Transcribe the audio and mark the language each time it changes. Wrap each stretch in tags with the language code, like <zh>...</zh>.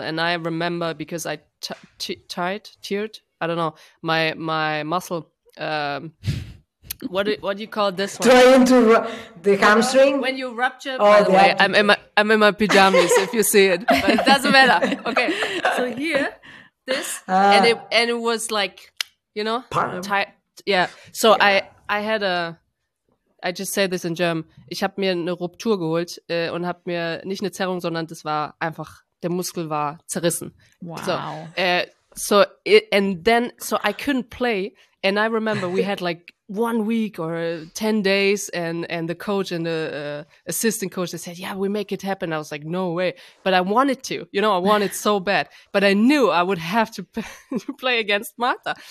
<en>And I remember because I teared, I don't know, my muscle, what do you call this one? Trying to the hamstring? When you rupture, I'm in my pajamas, if you see it. But it doesn't matter. Okay. So here, this, and it was like, you know, tight. Yeah, so I had a, I just say this in German,</en> <de>ich habe mir eine Ruptur geholt und habe mir nicht eine Zerrung, sondern das war einfach, der Muskel war zerrissen.</de> <en>Wow. So I couldn't play and I remember we had like 1 week or 10 days and the coach and the assistant coach, they said, yeah, we make it happen. I was like, no way. But I wanted to, you know, I wanted so bad. But I knew I would have to play against Marta.</en>